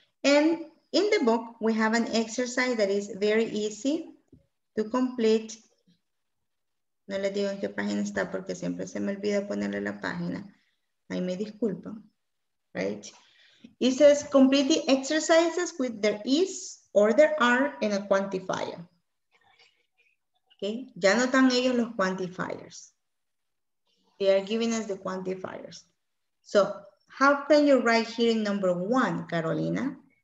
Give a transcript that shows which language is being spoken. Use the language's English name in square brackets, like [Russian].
[English] And in the book, we have an exercise that is very easy to complete. [Spanish] No les digo en qué página está porque siempre se me olvida ponerle la página. Ahí me disculpo. Right? [English] It says complete the exercises with there is or there are in a quantifier. Okay? [Spanish] Ya notan ellos los quantifiers. [English] They are giving us the quantifiers. So, how can you write here in number one, Carolina?